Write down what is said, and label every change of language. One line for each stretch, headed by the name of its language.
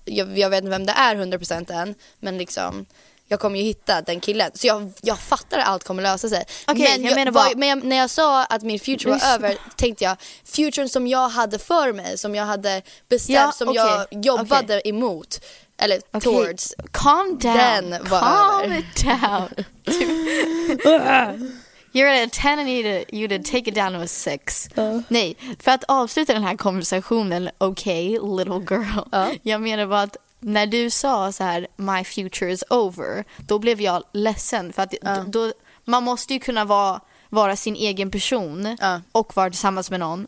Swedish: Jag vet inte vem det är 100% än, men liksom jag kommer ju hitta den killen. Så jag fattar att allt kommer lösa sig.
English: Okay,
Swedish: men när jag sa att min future var över, tänkte jag, futuren som jag hade för mig, som jag hade bestämt, som jag jobbade emot, eller towards.
English: Calm down.
Swedish: Den var calm över.
English: Calm down. You're at a 10 and you need to take it down to a 6.
Swedish: Nej, för att avsluta den här konversationen,
English: okay, little girl.
Swedish: Jag menar bara att när du sa så här,
English: my future is over,
Swedish: då blev jag ledsen. För att då, man måste ju kunna vara sin egen person och vara tillsammans med någon.